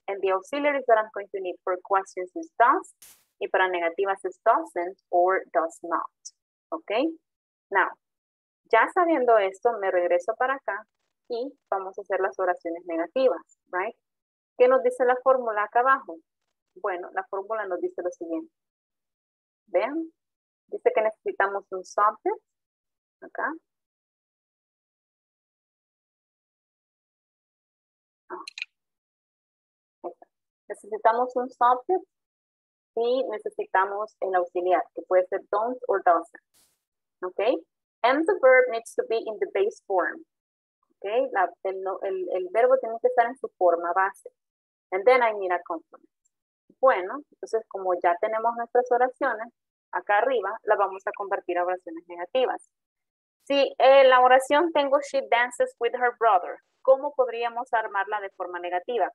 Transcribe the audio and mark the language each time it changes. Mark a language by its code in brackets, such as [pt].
[en] And the auxiliaries that I'm going to need for questions is does. [es] Y para negativas es doesn't or does not. ¿Ok? Now, ya sabiendo esto, me regreso para acá y vamos a hacer las oraciones negativas. Right? ¿Qué nos dice la fórmula acá abajo? Bueno, la fórmula nos dice lo siguiente. ¿Ven? Dice que necesitamos un subject. Acá. Necesitamos un subject y necesitamos el auxiliar, que puede ser don't or doesn't. Okay? [en] And the verb needs to be in the base form. Okay? [es] El verbo tiene que estar en su forma base. [en] And then I need a complement. [es] Bueno, entonces como ya tenemos nuestras oraciones, acá arriba las vamos a convertir a oraciones negativas. Si en la oración tengo [en] she dances with her brother, [es] ¿cómo podríamos armarla de forma negativa?